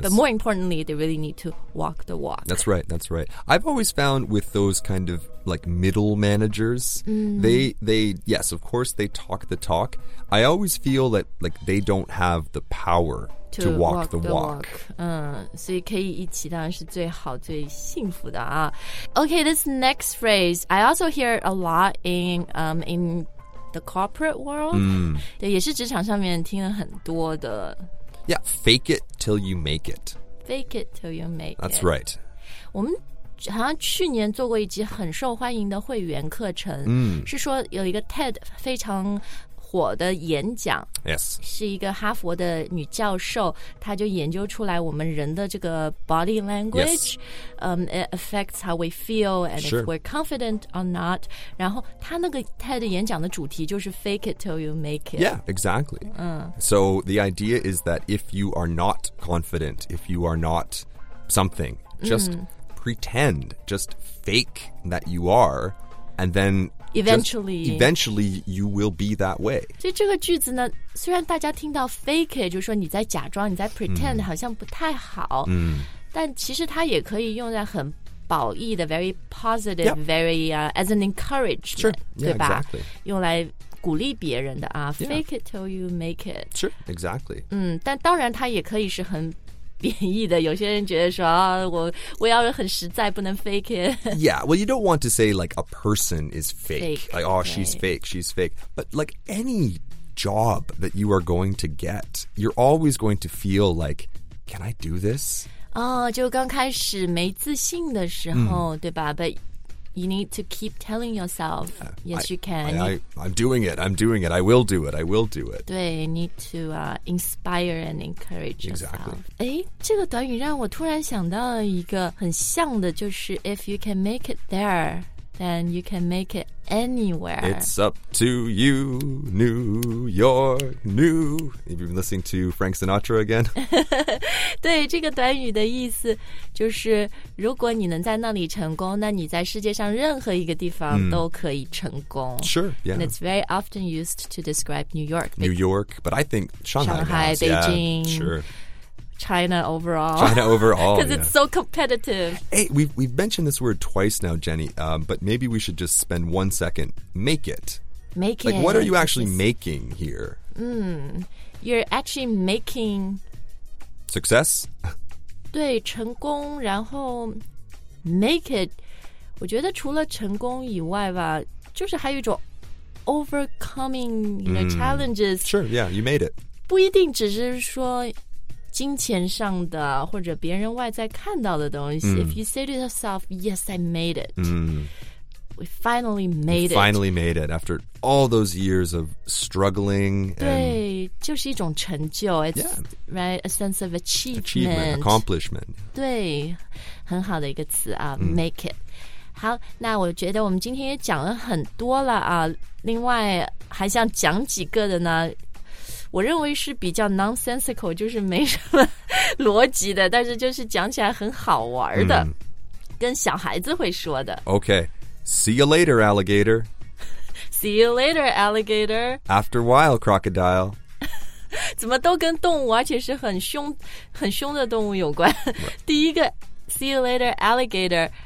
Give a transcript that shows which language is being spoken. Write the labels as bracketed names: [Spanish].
[English] but more importantly they really need to walk the walk that's right I've always found with those kind of like middle managers、they yes of course they talk the talk I always feel that like they don't have the powerTo walk the walk. [Chinese] 所以可以一起当然是最好最幸福的啊。 [English] Okay, this next phrase, I also hear a lot in the corporate world. [Chinese] 对，也是职场上面听了很多的。 [English] Yeah, fake it till you make it. Fake it till you make it. That's right. [Chinese] 我们好像去年做过一集很受欢迎的会员课程，是说有一个 TED 非常火的演讲、 [English] yes. [Chinese] 是一个哈佛的女教授她就研究出来我们人的这个 body language、 [English] yes. It affects how we feel and、 sure. if we're confident or not [Chinese] 然后她那个 TED 演讲的主题就是 [English] fake it till you make it Yeah, exactly、So the idea is that if you are not confident if you are not something just、pretend just fake that you are and thenEventually, you will be that way. [Chinese] 所以这个句子呢，虽然大家听到 [English] fake it, [Chinese] 就是说你在假装，你在 pretend, 好像不太好。但其实它也可以用在很褒义的 [English] very positive, yep. very as an encouragement, sure. [Chinese] 对吧？ [English] Yeah, exactly. [Chinese] 用来鼓励别人的啊、 [English] yeah. ，fake it till you make it. Sure, exactly. [Chinese] 但当然它也可以是很贬义的，有些人觉得说、我要很实在，不能 [English] fake it. Yeah, well, you don't want to say like a person is fake. Like, oh, she's fake, she's fake. But like any job that you are going to get, you're always going to feel like, can I do this? [Chinese] Oh, 就刚开始没自信的时候，对吧？ [English] But you need to keep telling yourself, yes, you can. I'm doing it. I will do it. 对 need to inspire and encourage yourself. Exactly. [Chinese] 诶这个短语让我突然想到了一个很像的就是 [English] if you can make it there, then you can make it anywhere. It's up to you, New York, new. Have you been listening to Frank Sinatra again? [Chinese] 对这个短语的意思就是如果你能在那里成功那你在世界上任何一个地方都可以成功。 [English] Sure, yeah. And it's very often used to describe New York. New York, but I think Shanghai. Shanghai, Beijing. Yeah, sure. China overall. China overall, because it's so competitive. Hey, we've mentioned this word twice now, Jenny, but maybe we should just spend 1 second. Make it. Make it. Like, what are you actually making here? You're actually making... Success? [Chinese] 对，成功，然后 [English] make it. [Chinese] 我觉得除了成功以外吧，就是还有一种 [English] overcoming you know, challenges. Sure, yeah, you made it. [Chinese] 不一定只是说金钱上的或者别人外在看到的东西。 [English] If you say to yourself, yes, I made it. We finally made it. Finally made it after all those years of struggling. [Chinese] 对，就是一种成就。 [English] It's right, a sense of achievement. Accomplishment. [Chinese] 对，很好的一个词啊， [English] make it. [Chinese] 好，那我觉得我们今天也讲了很多了啊。另外还想讲几个的呢，我认为是比较 nonsensical， 就是没什么逻辑的，但是就是讲起来很好玩的，跟小孩子会说的。 [English] Okay. See you later, alligator. See you later, alligator. After a while, crocodile. [Chinese] 怎么都跟动物，而且是很凶、很凶的动物有关。 [English] Right. [Chinese] 第一个 ， [English] see you later, alligator.